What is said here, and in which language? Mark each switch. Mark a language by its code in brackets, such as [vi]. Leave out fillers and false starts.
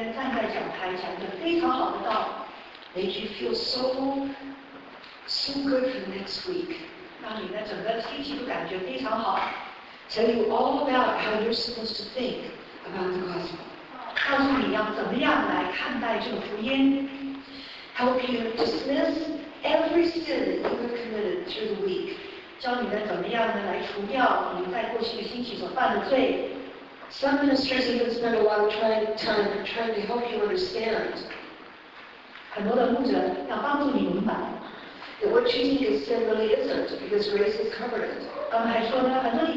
[zh] 一个牧师可以每个礼拜天站在讲台讲一个非常好的道。 [en] Makes you feel so good for next week. [zh] 让你的整个星期都感觉非常好。 [en] Tell you all about how you're supposed to think about the gospel. [zh] 告诉你要怎么样来看待这个福音。 [en] Help you dismiss every sin you've committed through the week. [zh] 教你们怎么样来除掉你在过去的星期所犯的罪。 [en] Some ministers even spend a lot of trying to help you understand. [zh] 很多的牧者要帮助你明白。 [en] That what you think is sin really isn't, because grace has covered it.